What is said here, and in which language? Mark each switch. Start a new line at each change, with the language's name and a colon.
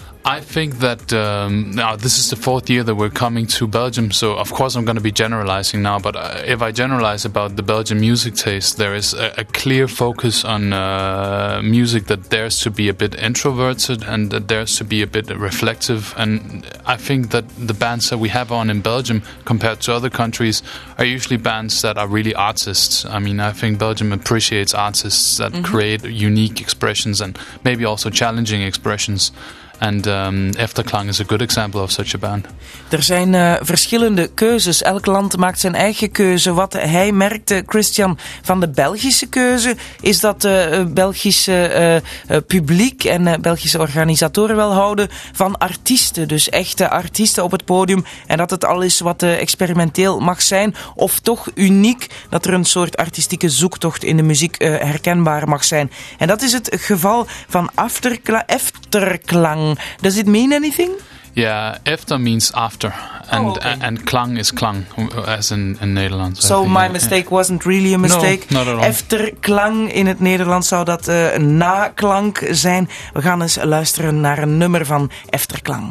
English: I think that now this is the fourth year that we're coming to Belgium, so of course I'm going to be generalizing now, but if I generalize about the Belgian music taste, there is a clear focus on music that dares to be a bit introverted and that dares to be a bit reflective, and I think that the bands that we have on in Belgium compared to other countries are usually bands that are really artists. I mean, I think Belgium appreciates artists that create unique expressions and maybe also challenging expressions. And Efterklang is a good example of such a band.
Dutch: Er zijn verschillende keuzes. Elk land maakt zijn eigen keuze. Wat hij merkte, Christian, van de Belgische keuze, is dat het Belgische publiek en Belgische organisatoren wel houden van artiesten. Dus echte artiesten op het podium. En dat het al is wat experimenteel mag zijn. Of toch uniek, dat er een soort artistieke zoektocht in de muziek herkenbaar mag zijn. En dat is het geval van Efterklang.
English: Does it mean anything? Yeah, efter means after, and and klang is klang, as in Nederlands. So my mistake wasn't really a mistake. No, not at all.
Dutch: Efter klang in het Nederlands zou dat naklank zijn. We gaan eens luisteren naar een nummer van Efterklang.